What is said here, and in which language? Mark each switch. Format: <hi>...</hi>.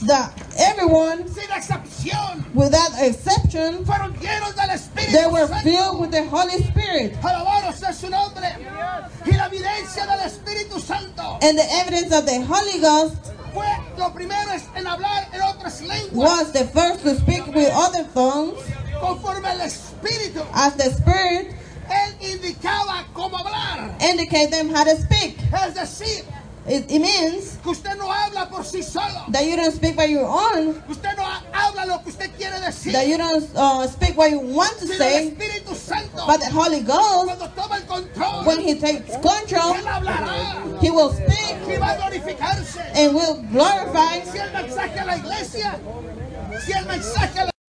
<en>That everyone.</en> <es>Sin excepción.</es> <en>Without exception.</en> <es>Fueron llenos del Espíritu.</es> <en>They were filled with the Holy Spirit.</en> <es>Alabado sea su nombre. Y la evidencia del Espíritu Santo.</es> <en>And the evidence of the Holy Ghost.</en> <es>Fue lo primero en hablar en otras lenguas.</es> <en>Was the first to speak with other tongues.</en> <es>Conforme al Espíritu.</es> <en>As the Spirit.</en> <es>Él indicaba cómo hablar.</es> <en>Indicate them how to speak.</en> <es>Es decir.</es> <en>It means.</en> <es>Que usted no habla por sí solo.</es> <en>That you don't speak by your own.</en> <es>Usted no habla lo que usted quiere decir.</es> <en>That you don't speak what you want to say.</en> <es>El Espíritu Santo.</es> <en>But the Holy Ghost.</en> <es>Cuando toma el control.</es> <en>When he takes control.</en> <es>Él hablará.</es> <en>He will speak.</en> <es>Y va a glorificarse.</es> <en>And will glorify.</en> <es>Si el mensaje a la iglesia. Si el mensaje a la</es>